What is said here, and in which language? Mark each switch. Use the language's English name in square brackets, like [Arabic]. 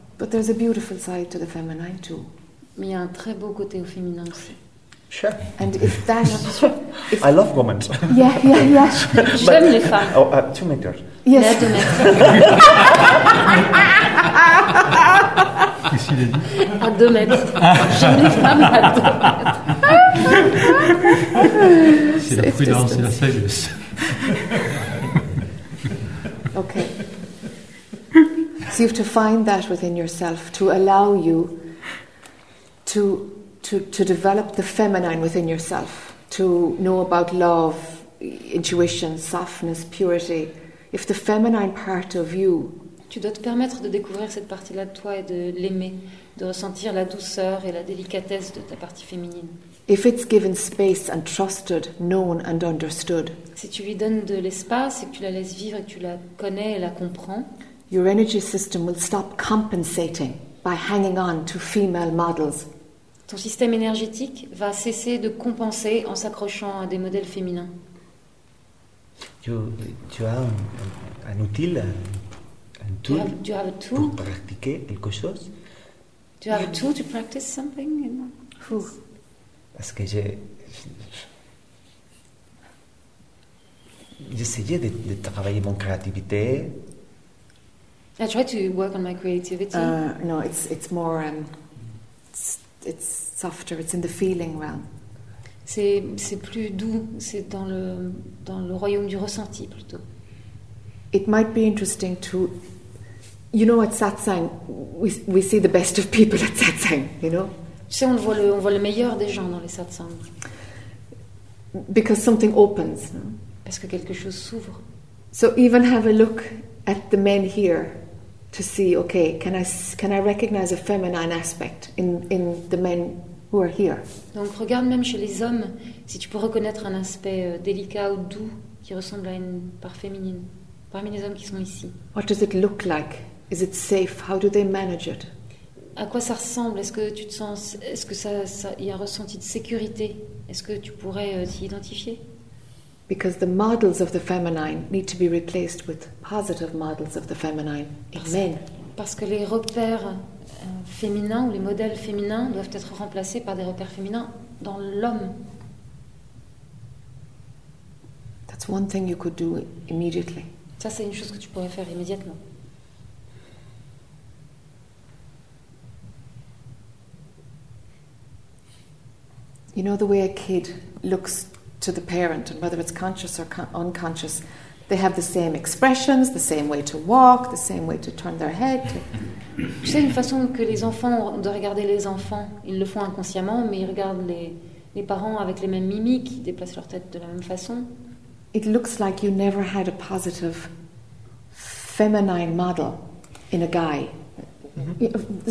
[English] But there's a beautiful side to the feminine too. [French] Mais il y a un très beau côté au féminin aussi. [English] Sure. And if that, I love women. Yeah, yeah, yeah. [French] J'aime les femmes. [English] Oh, 2 meters. Yes. [French] Qu'est-ce qu'il a dit? À 2 mètres. J'aime les femmes à 2 mètres. C'est la prudence et la sagesse. [English] Okay. So you have to find that within yourself to allow you to develop the feminine within yourself, to know about love, intuition, softness, purity. If the feminine part of you, [French] tu dois te permettre de découvrir cette partie-là de toi et de l'aimer, de ressentir la douceur et la délicatesse de ta partie féminine. [English] If it's given space and trusted, known and understood, [French] si tu lui donnes de l'espace et que tu la laisses vivre et que tu la connais et la comprends, [English] your energy system will stop compensating by hanging on to female models. [French] Ton système énergétique va cesser de compenser en s'accrochant à des modèles féminins. Tu as un outil, un tool, [English] you have a tool [French] pour pratiquer quelque chose. [English] Do you have a tool to practice something? Who? [French] Parce que j'essayais de travailler mon créativité. [English] I try to work on my creativity. No, it's more it's softer. It's in the feeling realm. [French] C'est plus doux. C'est dans le royaume du ressenti plutôt. [English] It might be interesting to, you know, at satsang we see the best of people at satsang. You know. [French] Tu sais, on voit le meilleur des gens dans les satsangs. [English] Because something opens. [French] Parce que quelque chose s'ouvre. [English] So even have a look at the men here. To see, okay, can I recognize a feminine aspect in the men who are here? [French] Donc regarde même chez les hommes si tu peux reconnaître un aspect délicat ou doux qui ressemble à une part féminine parmi les hommes qui sont ici. [English] What does it look like? Is it safe? How do they manage it? [French] À quoi ça ressemble? Est-ce que tu te sens? Est-ce que ça y a un ressenti de sécurité? Est-ce que tu pourrais t'y identifier? [English] Because the models of the feminine need to be replaced with positive models of the feminine in men. [French] Parce que les repères féminins ou les modèles féminins doivent être remplacés par des repères féminins dans l'homme. [English] That's one thing you could do immediately. [French] Ça, c'est une chose que tu pourrais faire immédiatement. [English] You know the way a kid looks to the parent, and whether it's conscious or unconscious, they have the same expressions, the same way to walk, the same way to turn their head. [French] Tu sais, une façon que les enfants de regarder les enfants, ils le font inconsciemment, mais ils regardent les parents avec les mêmes mimiques, ils déplacent leur tête de la même façon. [English] It looks like you never had a positive feminine model in a guy. Mm-hmm.